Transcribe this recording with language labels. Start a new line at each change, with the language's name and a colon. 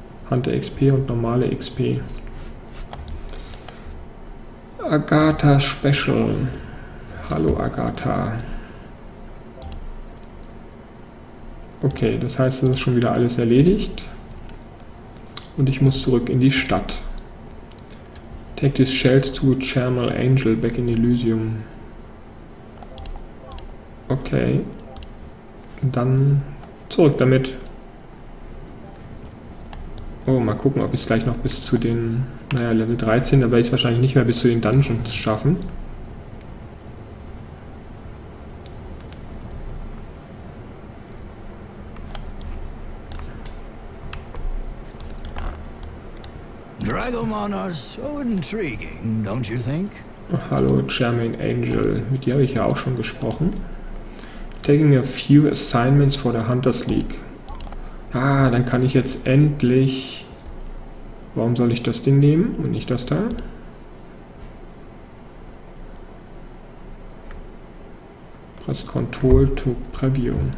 German: Hunter XP und normale XP. Agatha Special. Hallo Agatha. Okay, das heißt, es ist schon wieder alles erledigt. Und ich muss zurück in die Stadt.
English: Take these shells to Chermal Angel back in Elysium.
German: Okay. Dann zurück damit. Oh, mal gucken, ob ich es gleich noch bis zu den, naja, Level 13, da werde ich es wahrscheinlich nicht mehr bis zu den Dungeons schaffen.
English: Dragomon are so intriguing, don't you think?
German: Oh, hallo, Charming Angel. Mit dir habe ich ja auch schon gesprochen.
English: Taking a few assignments for the Hunters League.
German: Ah, dann kann ich jetzt endlich... Warum soll ich das Ding nehmen und nicht das da?
English: Press Control to Preview.